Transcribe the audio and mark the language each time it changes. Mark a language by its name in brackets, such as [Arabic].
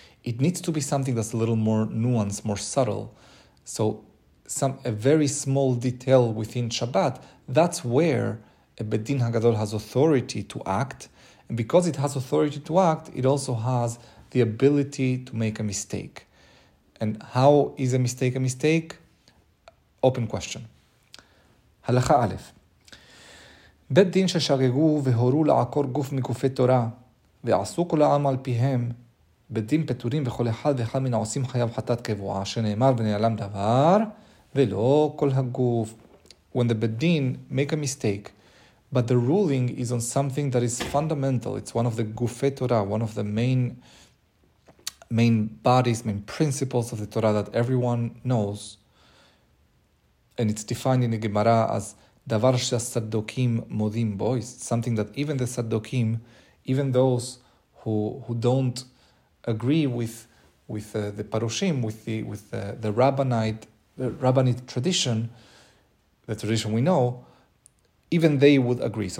[English] It needs to be something that's a little more nuanced, more subtle. So a very small detail within Shabbat, that's where a Beit Din HaGadol has authority to act. And because it has authority to act, it also has the ability to make a mistake. And how is a mistake? Open question. [Hebrew] הלכה א', בית דין ששרגו והורו לעקור גוף מגופי תורה ועשו כל העם על פיהם בית דין פטורים וכל אחד ואחד מן העושים חייו חטאת קבועה שנאמר ונעלם דבר ולא כל הגוף. [English] When the bet din make a mistake, but the ruling is on something that is fundamental, it's one of the gufei Torah, one of the main bodies, main principles of the Torah that everyone knows. And it's defined in the Gemara as [Hebrew] davar she'asadokim modim bo, [English] something that even the sadokim, even those who don't agree with the parushim, with the rabbinate tradition, the tradition we know, even they would agree.